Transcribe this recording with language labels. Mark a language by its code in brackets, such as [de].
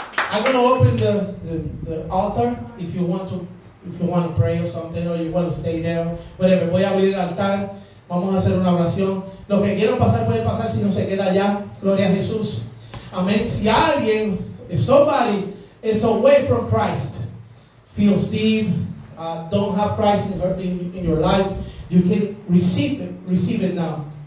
[en] I'm going to open the altar if you want to pray or something, or you want to stay there, whatever. [es] Voy a abrir el altar. Vamos a hacer una oración. Los que quieran pasar pueden pasar, si no se queda allá. Gloria a Jesús. Amén. Si alguien, [en] if somebody is away from Christ, feels deep, don't have Christ in your life, you can receive it now.